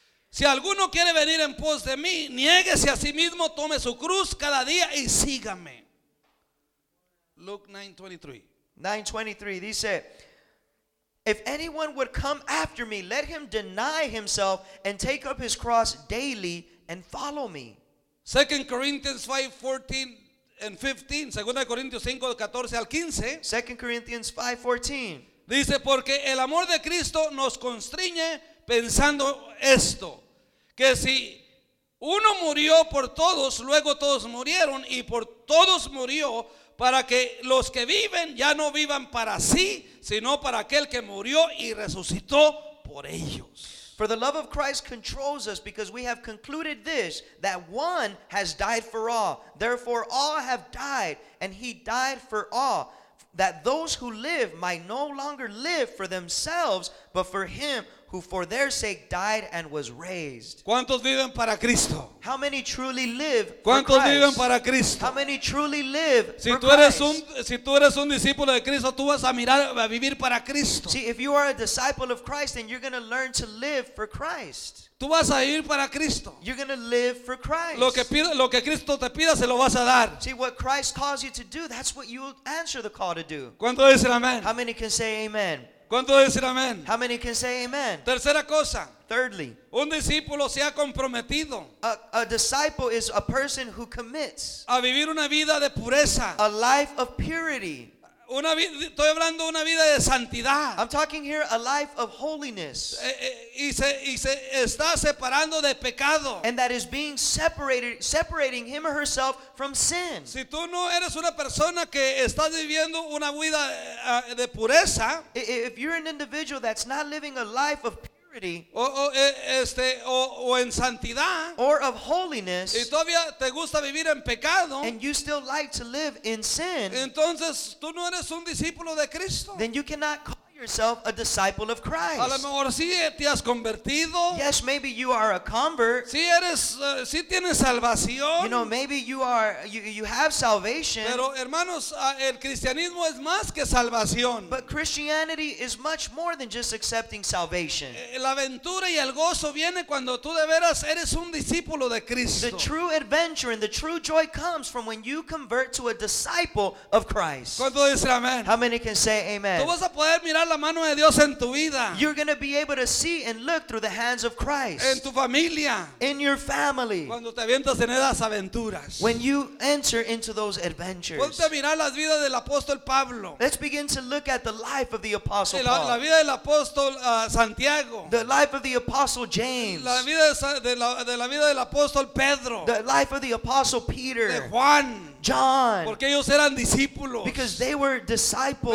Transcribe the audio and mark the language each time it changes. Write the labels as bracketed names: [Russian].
[Spanish] Si alguno quiere venir en pos de mí, niéguese a sí mismo, tome su cruz cada día y sígame. [English] Luke 9:23 [Spanish] dice, [English] if anyone would come after me, let him deny himself and take up his cross daily and follow me. 2 Corinthians 5:14 [Spanish] dice, porque el amor de Cristo nos constriñe pensando esto. Que si uno murió por todos, luego todos murieron, y por todos murió, para que los que viven ya no vivan para sí, sino para aquel que murió y resucitó por ellos. [English] For the love of Christ controls us, because we have concluded this, that one has died for all. Therefore all have died, and he died for all. that those who live might no longer live for themselves, but for him who for their sake died and was raised. [Spanish] ¿Cuántos viven para Cristo? [English] How many truly live for [Spanish] Christ? ¿Cuántos viven para Cristo? [English] How many truly live [Spanish] si [English] for [Spanish] tú eres Christ? Si tú eres un discípulo de Cristo, tú vas a mirar a vivir para Cristo. [English] See, if you are a disciple of Christ, then you're going to learn to live for Christ. [Spanish] Tú vas a ir para Cristo. [English] You're going to live for Christ. [Spanish] Lo que Cristo te pida, se lo vas a dar. [English] See, what Christ calls you to do, that's what you answer the call to do. [Spanish] ¿Cuántos dicen amén? [English] How many can say amen? [Spanish] ¿Cuántos dicen amén? [English] How many can say amen? [Spanish] Tercera cosa. [English] Thirdly. [Spanish] Un discípulo se ha comprometido. [English] A disciple is a person who commits. [Spanish] A vivir una vida de pureza. [English] A life of purity. [Spanish] Estoy hablando de una vida de santidad. [English] I'm talking here a life of holiness. [Spanish] Y se está separando de pecado. [English] And that is being separating him or herself from sin. [Spanish] Si tú no eres una persona que está viviendo una vida de pureza, [English] if you're an individual that's not living a life of purity, [Spanish] O en santidad, [English] or of holiness, [Spanish] y todavía te gusta vivir en pecado, [English] and you still like to live in sin, [Spanish] entonces tú no eres un discípulo de Cristo. [English] Then you cannot call yourself a disciple of Christ. [Spanish] A lo mejor sí te has convertido. [English] Yes, maybe you are a convert. [Spanish] Sí eres, sí tienes salvación. [English] You know, maybe you have salvation. [Spanish] Pero hermanos, el cristianismo es más que salvación. [English] But Christianity is much more than just accepting salvation. [Spanish] La aventura y el gozo viene cuando tú de veras eres un discípulo de Cristo. [English] The true adventure and the true joy comes from when you convert to a disciple of Christ. [Spanish] ¿Cuánto dicen amén? [English] How many can say amen? [Spanish] Tú vas a poder mirar la mano de Dios en tu vida. [English] You're going to be able to see and look through the hands of Christ. [Spanish] En tu familia. [English] In your family. [Spanish] Cuando te avientas en esas aventuras. [English] When you enter into those adventures. [Spanish] Ponte a mirar las vidas del apóstol Pablo. [English] Let's begin to look at the life of the apostle Paul. [Spanish] La vida del apóstol Santiago. [English] The life of the apostle James. [Spanish] La vida del apóstol Pedro. [English] The life of the apostle Peter. [Spanish] De Juan. [English] John. [Spanish] Porque ellos eran discípulos. [English] Because they were disciples.